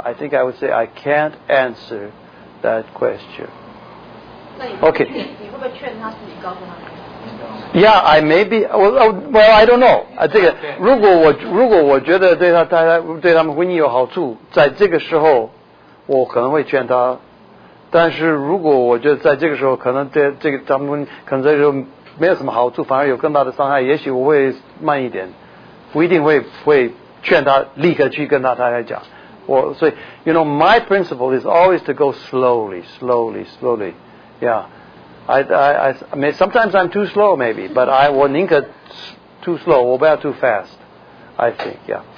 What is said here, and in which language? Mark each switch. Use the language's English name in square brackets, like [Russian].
[English] I think I would say I can't answer that question. Okay. [Chinese] 你会不会劝他自己告诉他？ [English] Yeah, I maybe. Well, I don't know. [Chinese] 这个如果我觉得对他们婚姻有好处，在这个时候，我可能会劝他。但是如果我觉得在这个时候，可能对这个他们可能在这时候没有什么好处，反而有更大的伤害，也许我会慢一点，不一定会劝他立刻去跟他太太讲。我所以 [English] ，you know, my principle is always to go slowly, slowly, slowly. Yeah. I mean, sometimes I'm too slow, maybe, but I won't too slow, or about too fast, I think, yeah.